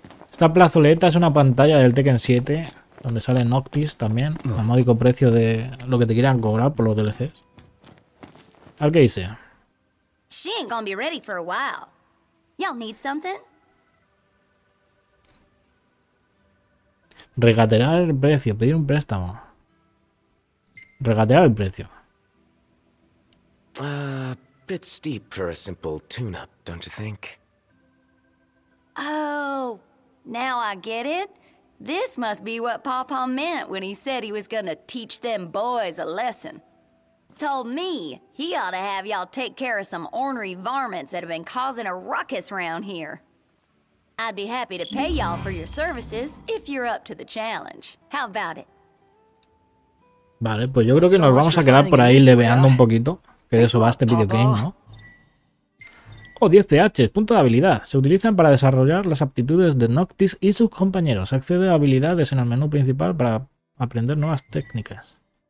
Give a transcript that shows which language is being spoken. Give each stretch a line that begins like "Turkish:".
Spanish: Esta plazoleta es una pantalla del Tekken 7, donde sale Noctis también, a módico precio de lo que te quieran cobrar por los DLCs. ¿Al qué dice?
English: She ain't gonna be ready for a while. Y'all need something?
Spanish: Regatear el precio, pedir un préstamo. Regatear el precio.
English: Bit steep for a simple tune-up, don't you think? Oh, now I get it. This must be what Papa meant when he said he was gonna teach them boys a lesson. told me he ought to have y'all take care of some ornery varmints that have been causing a ruckus around here. I'd be happy to pay y'all for your services if you're up to the challenge. How about it?
Spanish: Vale, pues yo creo que nos vamos a quedar por ahí leveando un poquito. Que de eso va este videogame, ¿no? Oh, 10 PH, punto de habilidad. Se utilizan para desarrollar las aptitudes de Noctis y sus compañeros. Accede a habilidades en el menú principal para aprender nuevas técnicas.